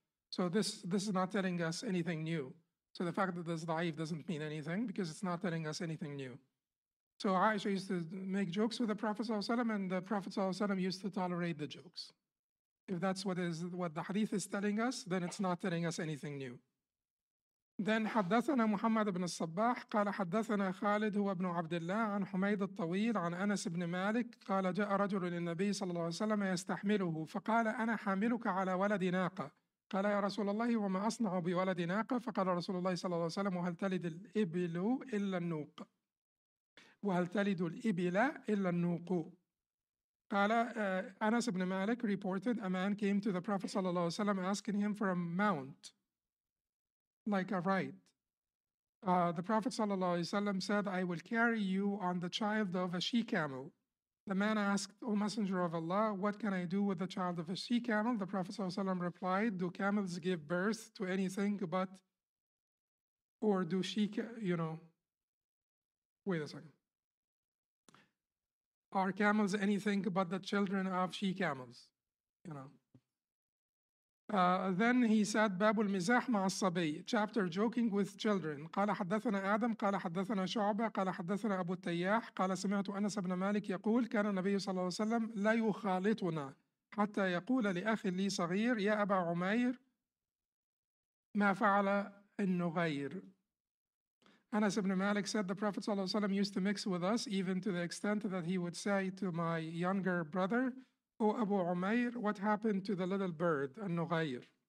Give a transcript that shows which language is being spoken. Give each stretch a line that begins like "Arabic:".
English: So this is not telling us anything new. So the fact that this da'if doesn't mean anything because it's not telling us anything new. So Aisha used to make jokes with the Prophet ﷺ, and the Prophet ﷺ used to tolerate the jokes. If that's what the hadith is telling us, then it's not telling us anything new. Then
Arabic: حدثنا محمد بن الصباح قال حدثنا خالد هو ابن عبد الله عن حميد الطويل عن أنس بن مالك قال جاء رجل للنبي صلى الله عليه وسلم يستحمله فقال أنا حاملك على ولد ناقة قال يا رسول الله وما أصنع بولد ناقة فقال رسول الله صلى الله عليه وسلم وهل تلد الإبل إلا النوق وهل تلد الإبل إلا النوق قال أنس بن مالك
English: reported a man came to the Prophet
Arabic: صلى الله عليه وسلم
English: asking him for a mount like a ride. The Prophet
Arabic: صلى الله عليه وسلم
English: said I will carry you on the child of a she camel. The man asked, O Messenger of Allah, what can I do with the child of a she camel? The Prophet ﷺ replied, do camels give birth to anything but, or do she, wait a second. Are camels anything but the children of she camels? Then he said,
Arabic: باب المزاح مع الصبي,
English: chapter joking with children.
Arabic: قال حدثنا آدم, قال حدثنا شعبة, قال حدثنا أبو التياح, قال سمعت أنس بن مالك يقول, كان النبي صلى الله عليه وسلم لا يخالطنا حتى يقول لأخي لي صغير, يا أبا عمير, ما فعل النغير.
English: Anas ibn Malik said, the Prophet
Arabic: صلى الله عليه وسلم
English: used to mix with us, even to the extent that he would say to my younger brother, O Abu Umair, what happened to the little bird, An-Nughayr?